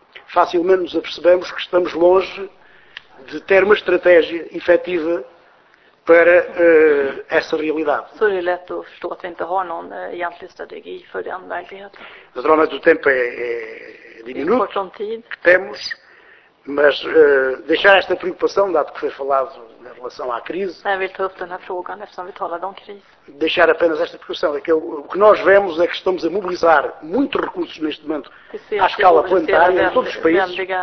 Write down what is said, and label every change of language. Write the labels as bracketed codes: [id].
[pt] Facilmente nos apercebemos que estamos longe de ter uma estratégia efetiva para essa realidade. [sv] Så det är lätt att förstå att vi inte har någon egentlig strategi för den verkligheten. [pt] Naturalmente o tempo é diminuto, [sv] vi har kort om tid. [pt] Temos, mas deixar esta preocupação, dado que foi falado na relação à crise. [sv] Jag vill ta upp den här frågan eftersom vi talade om kris. [pt] Deixar apenas esta preocupação, é que o que nós vemos é que estamos a mobilizar muitos recursos neste momento à escala planetária, em todos os países.